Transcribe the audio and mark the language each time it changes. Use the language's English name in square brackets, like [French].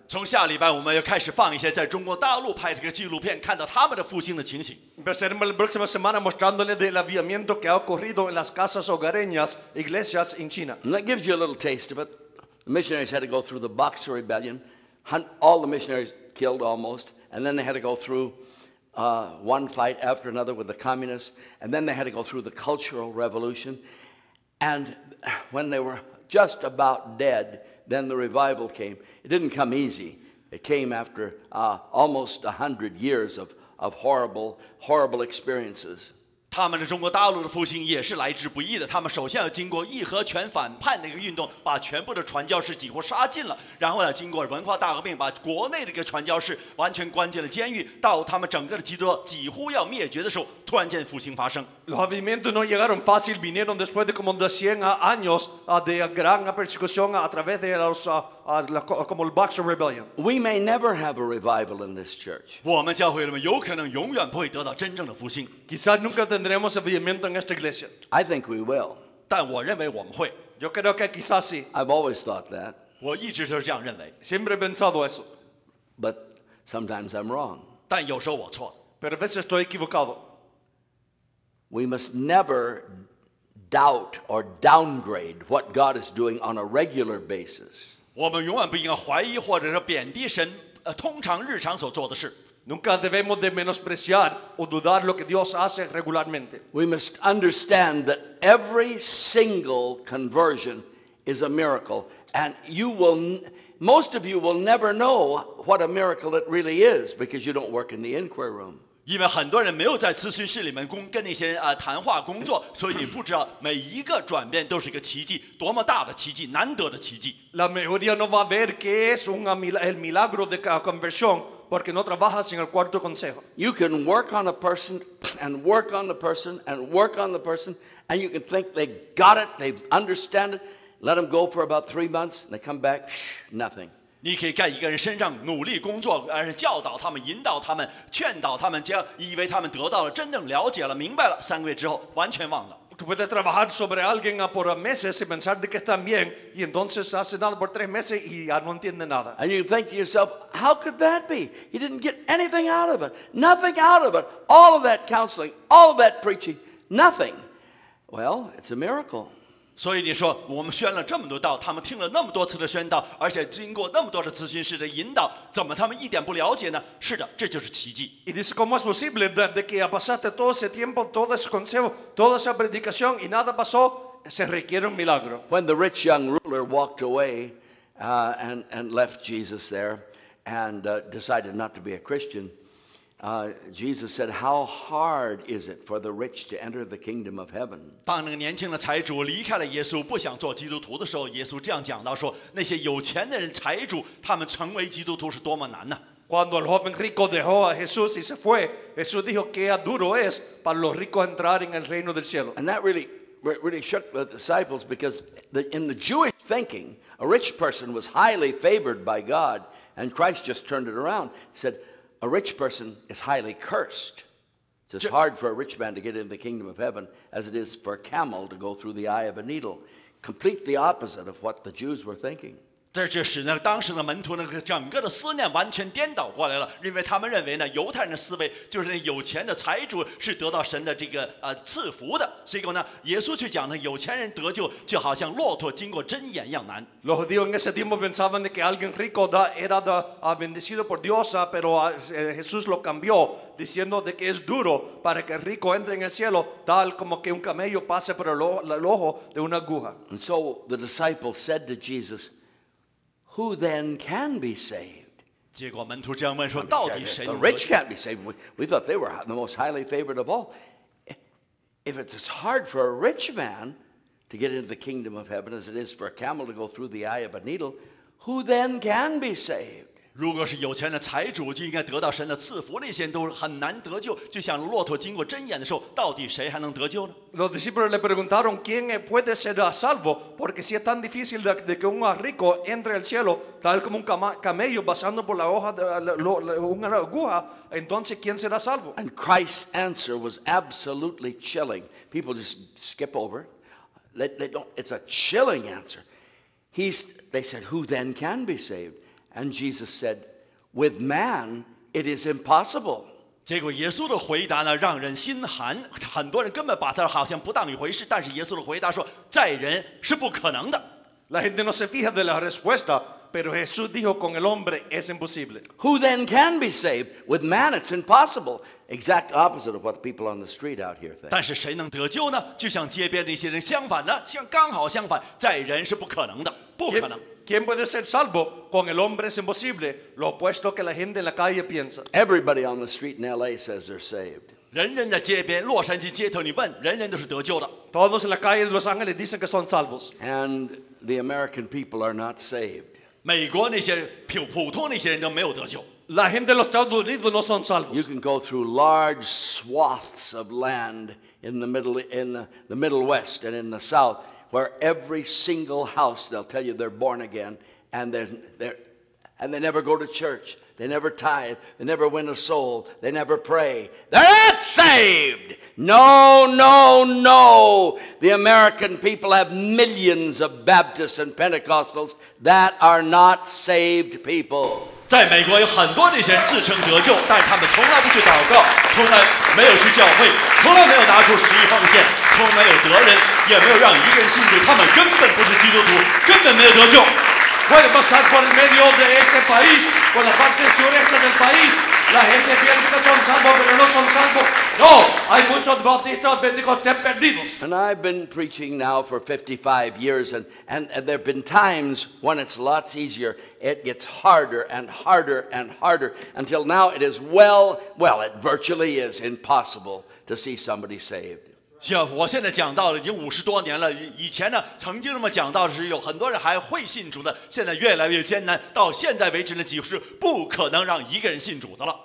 [Chinese] 从下礼拜我们要开始放一些在中国大陆拍这个纪录片，看到他们的复兴的情形。 [Spanish] Empezaremos la próxima semana mostrándole del avivamiento que ha ocurrido en las casas hogareñas, iglesias en China. [English] And that gives you a little taste of it. The missionaries had to go through the Boxer Rebellion, hunt all the missionaries killed almost, and then they had to go through one fight after another with the communists, and then they had to go through the Cultural Revolution, and when they were just about dead, then the revival came. It didn't come easy. It came after almost 100 years of horrible, horrible experiences. [Chinese] 他们的中国大陆的复兴也是来之不易的。他们首先要经过义和拳反叛的一个运动，把全部的传教士几乎杀尽了。然后呢，经过文化大革命，把国内的一个传教士完全关进了监狱。到他们整个的基督教几乎要灭绝的时候，突然间复兴发生。 [Spanish] Los avivamientos no llegaron fácil, vinieron después de como de 100 años de gran persecución a través de los, como el Boxer Rebellion. [English] We may never have a revival in this church. [Chinese] 我们教会里面有可能永远不会得到真正的复兴。 [Spanish] Quizás nunca tendremos avivamiento en esta iglesia. [English] I think we will. [Chinese] 但我认为我们会。 [Spanish] Yo creo que quizás sí. [English] I've always thought that. [Chinese] 我一直都是这样认为。 [Spanish] Siempre he pensado eso. [English] But sometimes I'm wrong. [Chinese] 但有时候我错。 [Spanish] Pero a veces estoy equivocado. [English] We must never doubt or downgrade what God is doing on a regular basis. [Chinese] 我们永远不应该怀疑或者是贬低神，通常日常所做的事。 [Spanish] Nunca debemos de menospreciar o dudar lo que Dios hace regularmente. [English] We must understand that every single conversion is a miracle, and you will, most of you will never know what a miracle it really is because you don't work in the inquiry room. [Chinese] 因为很多人没有在咨询室里面跟那些谈话工作，所以你不知道每一个转变都是一个奇迹，多么大的奇迹，难得的奇迹。 [Spanish] La mayoría no va a ver que es un el milagro de conversión porque no trabaja sin el cuarto consejo. [English] You can work on a person and work on the person and work on the person, and you can think they got it, they understand it. Let them go for about 3 months, and they come back, nothing. [Chinese] 你可以在一个人身上努力工作，而是教导他们、引导他们、劝导他们，这样以为他们得到了真正了解了、明白了，三个月之后完全忘了。 [Spanish] Tú puedes trabajar sobre alguien por meses y pensar de que están bien, y entonces hacen algo por tres meses y ya no entienden nada. [English] And you think to yourself, how could that be? He didn't get anything out of it. Nothing out of it. All of that counseling, all of that preaching, nothing. Well, it's a miracle. [Chinese] 所以你说，我们宣了这么多道，他们听了那么多次的宣道，而且经过那么多的咨询师的引导，怎么他们一点不了解呢？是的，这就是奇迹。 [Spanish] Y dice cómo es posible de que pasaste todo ese tiempo, todo ese consejo, toda esa predicación y nada pasó, se requiere un milagro. [English] When the rich young ruler walked away, and left Jesus there, and decided not to be a Christian, Jesus said, "How hard is it for the rich to enter the kingdom of heaven?" [Chinese] 当那个年轻的财主离开了耶稣，不想做基督徒的时候，耶稣这样讲到说：“那些有钱的人、财主，他们成为基督徒是多么难呢？” [Spanish] Cuando el joven rico dejó a Jesús y se fue, Jesús dijo, "Qué duro es para los ricos entrar en el reino del cielo." [English] And that really shook the disciples because in the Jewish thinking, a rich person was highly favored by God, and Christ just turned it around, said. A rich person is highly cursed. It's as hard for a rich man to get into the kingdom of heaven as it is for a camel to go through the eye of a needle. Complete the opposite of what the Jews were thinking. [Chinese] 这就使那当时的门徒那个整个的思念完全颠倒过来了，因为他们认为呢，犹太人的思维就是那有钱的财主是得到神的这个赐福的。所以呢，耶稣去讲呢，有钱人得救就好像骆驼经过针眼一样难。 [Spanish] Los judíos en ese tiempo pensaban que alguien rico era bendecido por Dios, pero Jesús lo cambió diciendo que es duro para que el rico entre en el cielo, tal como que un camello pase por el ojo de una aguja. [English] And so the disciples said to Jesus. Who then can be saved? [Chinese] 结果门徒这样问说，到底谁？ [English] The rich can't be saved. We thought they were the most highly favored of all. If it's hard for a rich man to get into the kingdom of heaven as it is for a camel to go through the eye of a needle, who then can be saved? [Chinese] 如果是有钱的财主就应该得到神的赐福，那些都很难得救，就像骆驼经过针眼的时候，到底谁还能得救呢？ [Spanish] Los discípulos le preguntaron quién puede ser salvo, porque si es tan difícil de que un rico entre al cielo, tal como un camello pasando por la hoja de una aguja, entonces quién será salvo? [English] And Christ's answer was absolutely chilling. People just skip over. They don't. It's a chilling answer. They said, "Who then can be saved?" And Jesus said, "With man, it is impossible." [Chinese] 结果耶稣的回答呢，让人心寒。很多人根本把他好像不当一回事。但是耶稣的回答说，在人是不可能的。 [Spanish] La gente no se fija de la respuesta, pero Jesús dijo, "Con el hombre es imposible." [English] Who then can be saved? With man, it's impossible. Exact opposite of what people on the street out here think. [Chinese] 但是谁能得救呢？就像街边那些人相反呢，像刚好相反，在人是不可能的，不可能。 [Spanish] ¿Quién puede ser salvo? Con el hombre es imposible. Lo opuesto que la gente en la calle piensa. [English] Everybody on the street in LA says they're saved. [Chinese] 人人在街边，洛杉矶街头，你问，人人都是得救的。 [Spanish] Todos en la calle de Los Ángeles dicen que son salvos. [English] And the American people are not saved. [Chinese] 美国那些普通那些人都没有得救。 [Spanish] La gente de los Estados Unidos no son salvos. [English] You can go through large swaths of land in the Middle West and in the South. Where every single house, they'll tell you they're born again, and they never go to church, they never tithe, they never win a soul, they never pray. They're not saved! No, no, no! The American people have millions of Baptists and Pentecostals that are not saved people. [Chinese] 在美国有很多那些人自称得救，但他们从来不去祷告，从来没有去教会，从来没有拿出十一奉献，从来没有得人，也没有让一个人信主，他们根本不是基督徒，根本没有得救。 [Spanish] Puede pasar por el medio de este país, por la parte sureste del país. La gente piensa que son salvos, pero no son salvos. No, hay muchos bautistas pentecostales perdidos. [English] And I've been preaching now for 55 years, and there have been times when it's lots easier. It gets harder and harder and harder. Until now, it is well, it virtually is impossible to see somebody saved. [Chinese] 像我现在讲到了已经五十多年了，以前呢曾经这么讲到是有很多人还会信主的，现在越来越艰难，到现在为止呢几乎是不可能让一个人信主的了。